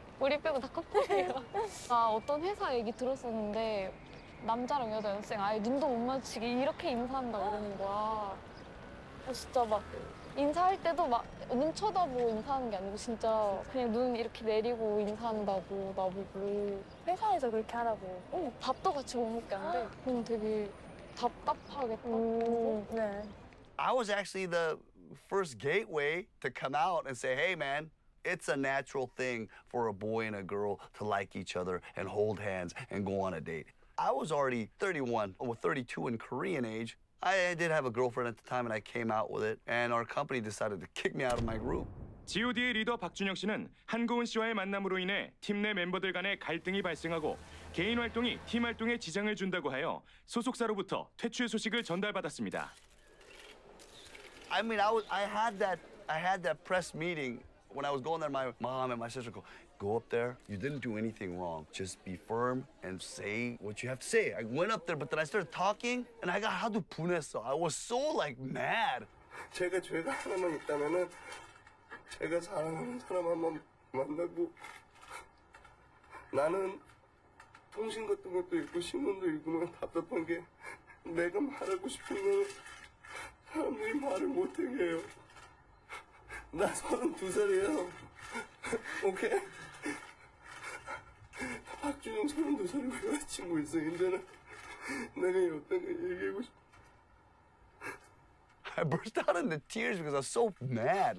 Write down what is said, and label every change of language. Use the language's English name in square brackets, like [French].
[Korean] 우리 빼고 다 커플이에요. 아, 어떤 회사 얘기 들었었는데 남자랑 여자 연습생 아예 눈도 못 마주치게 이렇게 인사한다 이러는 거야. 아, 진짜 막 인사할 때도 막 눈 쳐다보고 인사하는 게 아니고 진짜 그냥 눈 이렇게 내리고 인사한다고 나보고. 회사에서 그렇게 하라고. 어, 밥도 같이 못 먹게 안 돼. 그럼 되게 답답하겠다. 네. [English] I was actually the first gateway to come out and say, hey man, it's a natural thing for a boy and a girl to like each other and hold hands and go on a date. I was already 31, or 32 in Korean age. I did have a girlfriend at the time and I came out with it. And our company decided to kick me out of my group. [Korean] G.O.D의 리더 박준영 씨는 한고은 씨와의 만남으로 인해 팀 내 멤버들 간의 갈등이 발생하고 개인 활동이 팀 활동에 지장을 준다고 하여 소속사로부터 퇴출 소식을 전달받았습니다. [English] I mean, I had that press meeting. When I was going there, my mom and my sister go, go up there. You didn't do anything wrong. Just be firm and say what you have to say. I went up there, but then I started talking, and I got [Korean] 하도 분했어. [English] I was so, like, mad. [Korean] 제가 죄가 하나만 있다면은 제가 사랑하는 사람 한번 만나고 나는 통신 같은 것도 읽고 신문도 읽으면 답답한 게 내가 말하고 싶은 건 사람들이 말을 못 해요. 나 32살이에요. 오케이? 박준영 32살이고 여자친구 있어. 이제는 내가 어떤 걸 얘기하고 싶어. [English] I burst out into tears because I was so mad.